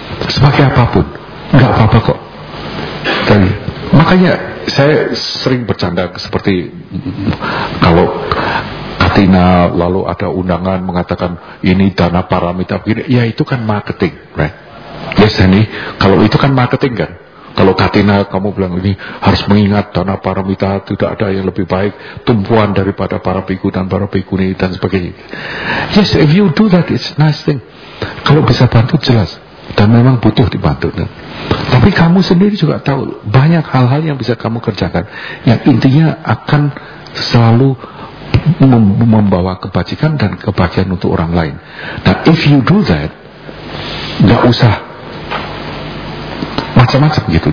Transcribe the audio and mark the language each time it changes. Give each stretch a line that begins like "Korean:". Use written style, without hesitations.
Indonesian: Sebagai apapun, enggak apa-apa kok. Dan makanya saya sering bercanda seperti kalau Tina, lalu ada undangan mengatakan ini dana paramita begini, ya itu kan marketing, right? Yes, ini kalau itu kan marketing kan. Kalau Katina kamu bilang ini harus mengingat dana paramita tidak ada yang lebih baik tumpuan daripada para biku dan para bikuni dan sebagainya.
English: Yes, if you do that, it's nice thing.
Indonesian: Kalau bisa bantu jelas dan memang butuh dibantu. Kan? Tapi kamu sendiri juga tahu banyak hal-hal yang bisa kamu kerjakan yang intinya akan selalu membawa kebajikan dan kebahagiaan untuk orang lain. Nah,
English: if you do that,
Indonesian: nggak usah macam-macam gitu.